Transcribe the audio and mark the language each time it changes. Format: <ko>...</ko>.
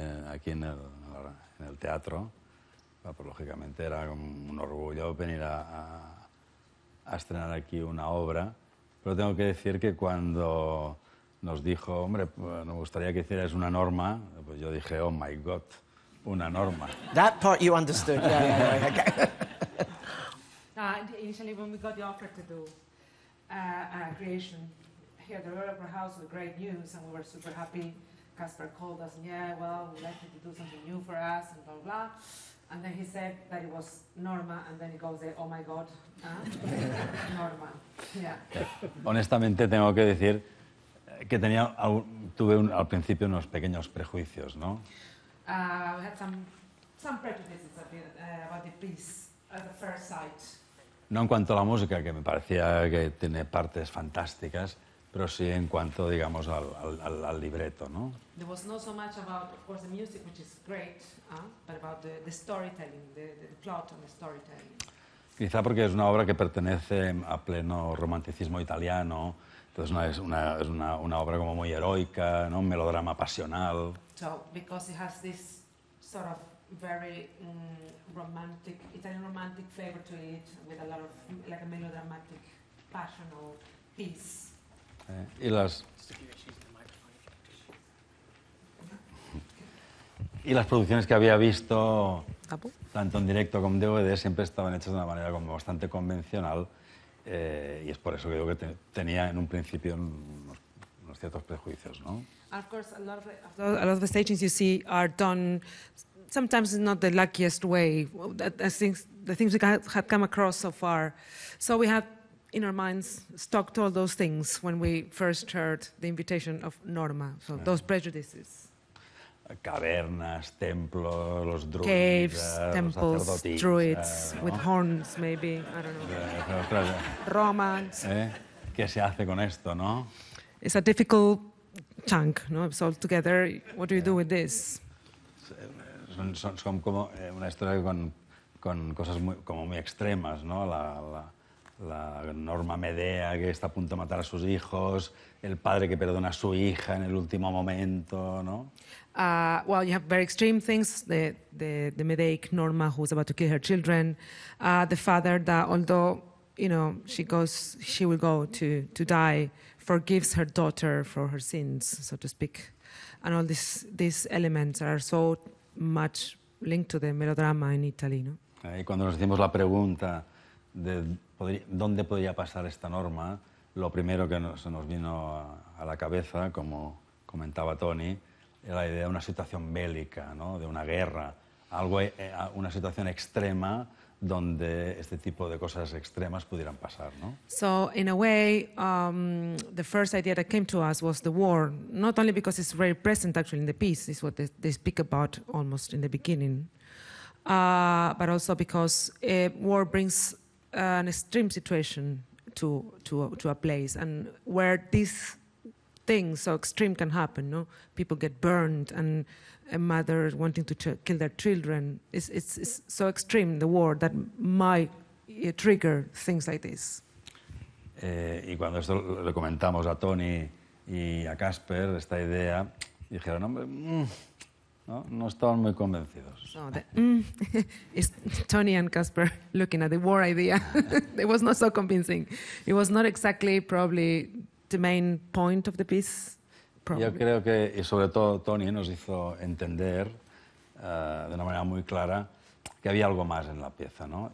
<es>Aquí en el teatro, pues, lógicamente era un orgullo venir a estrenar aquí una obra. Pero tengo que decir que cuando nos dijo, hombre, pues, nos gustaría que hicieras una norma, pues yo dije,</es> <en>oh my God,</en> <es>una norma.</es> <en>That part you understood. Yeah, yeah, yeah. Okay. Initially, when we got the offer to do creation here, the Royal Opera House was great news, and we were super happy. Casper called us, and yeah, well, we'd like you to do something new for us, and blah, blah, blah. And then he said that it was Norma, and then he goes, oh my God, Norma. Yeah.</en> <es>Honestamente, tengo que decir que tuve al principio unos pequeños prejuicios, ¿no?</es> <en>We had some prejudices a bit, about the piece at the first sight.</en> <es>No en cuanto a la música, que me parecía que tiene partes fantásticas, pero sí en cuanto, digamos, al libreto, ¿no?</es> <en>There was not so much about, of course, the music, which is great, but about the storytelling, the plot and the storytelling.</en> <es>Quizá porque es una obra que pertenece a pleno romanticismo italiano, entonces es una obra como muy heroica, ¿no? Un melodrama pasional.</es> <en>So, because it has this sort of very romantic, Italian romantic flavor to it, with a lot of, like a melodramatic, passional piece.</en> <es>Y las producciones que había visto, tanto en directo como en DVD, siempre estaban hechas de una manera como bastante convencional, y es por eso que digo que tenía en un principio unos ciertos prejuicios, ¿no?</es> <en>Of course, a lot of the stagings you see are done sometimes in not the luckiest way. The things we had come across so far, so we have in our minds stocked all those things when we first heard the invitation of Norma. So those prejudices.</en> <es>Cavernas, templos, los druids,</es> <en>caves, temples, druids, with horns, maybe, I don't know. Romans.</en> <es>¿Qué se hace con esto, no?</es> <en>It's a difficult chunk, no? It's all together. What do you do with this?</en> <es>Son como una historia con cosas muy, como muy extremas, ¿no? La Norma Medea que está a punto de matar a sus hijos, el padre que perdona a su hija en el último momento, ¿no?</es> <en>Well, you have very extreme things, the Medeic Norma who's about to kill her children, the father that, although, you know, she will go to die, forgives her daughter for her sins, so to speak, and all these elements are so much linked to the melodrama in Italy, ¿no?</en> <es>Y cuando nos hicimos la pregunta de dónde podría pasar esta norma, lo primero que se nos vino a la cabeza, como comentaba Tony, era la idea de una situación bélica, ¿no? De una guerra, una situación extrema donde este tipo de cosas extremas pudieran pasar, ¿no?</es> <en>So in a way, the first idea that came to us was the war, not only because it's very present actually in the piece, it's what they speak about almost in the beginning, but also because war brings an extreme situation to a place, and where these things so extreme can happen, no? People get burned, and a mother wanting to kill their children. It's so extreme, the war, that my trigger things like this.</en> <es>Y cuando esto lo comentamos a Tony y a Casper, esta idea, dijeron, hombre, no estaban muy convencidos.</es> <en>So it's Tony and Casper looking at the war idea. It was not so convincing. It was not exactly probably the main point of the piece. Probably.</en> <es>Yo creo que, y sobre todo Tony, nos hizo entender de una manera muy clara que había algo más en la pieza, ¿no?</es>